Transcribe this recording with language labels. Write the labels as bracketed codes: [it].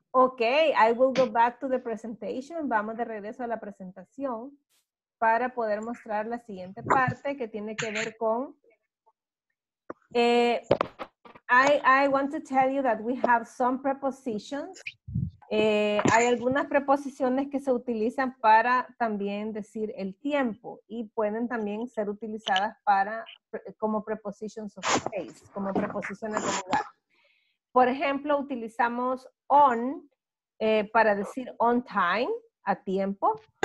[en] Okay, I will go back to the presentation. [es] Vamos de regreso a la presentación para poder mostrar la siguiente parte que tiene que ver con. [en] I want to tell you that we have some prepositions. [es] Hay algunas preposiciones que se utilizan para también decir el tiempo y pueden también ser utilizadas para como [en] prepositions of place, [es] como preposiciones de lugar. Por ejemplo, utilizamos on para decir [en] on time, [es] a tiempo.